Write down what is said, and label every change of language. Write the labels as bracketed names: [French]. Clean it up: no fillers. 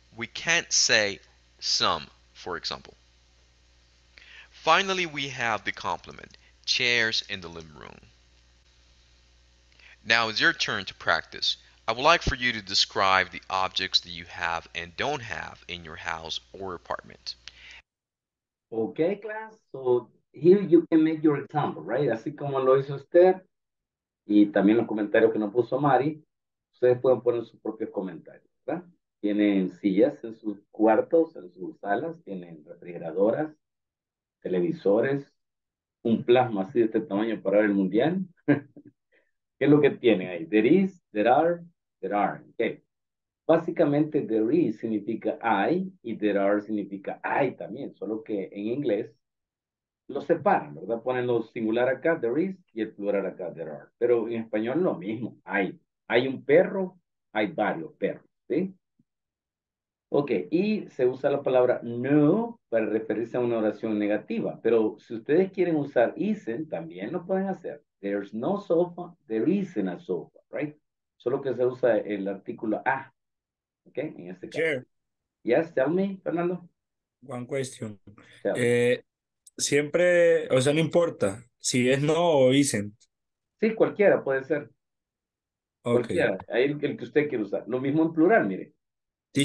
[English] We can't say some, for example. Finally, we have the complement, chairs in the living room. Now it's your turn to practice. I would like for you to describe the objects that you have and don't have in your house or apartment. Okay, class. So here you can make your example, right? [Spanish] Así como lo hizo Esther y también los comentarios que nos puso Mari, ustedes pueden poner sus propios comentarios, ¿verdad? Tienen sillas en sus cuartos, en sus salas, tienen refrigeradoras, televisores, un plasma así de este tamaño para ver el mundial. ¿Qué es lo que tiene ahí? [English] There is, there are, there aren't. Okay. [Spanish] Básicamente, [English] there is [Spanish] significa hay y [English] there are [Spanish] significa hay también, solo que en inglés lo separan, ¿verdad? Ponen lo singular acá, [English] there is, [Spanish] y el plural acá, [English] there are. [Spanish] Pero en español lo mismo, hay. Hay un perro, hay varios perros, ¿sí? Ok, y se usa la palabra no para referirse a una oración negativa, pero si ustedes quieren usar isn't, también lo pueden hacer. [English] There's no sofa, there isn't a sofa, right? [Spanish] Solo que se usa el artículo a, ok, en este caso. [English] Chair, Yes, tell me, Fernando. one question. Tell me. [Spanish] Siempre, o sea, no importa si es no o isn't. Sí, cualquiera puede ser. [English] Okay. [Spanish] Cualquiera, ahí el que usted quiere usar. Lo mismo en plural, mire. There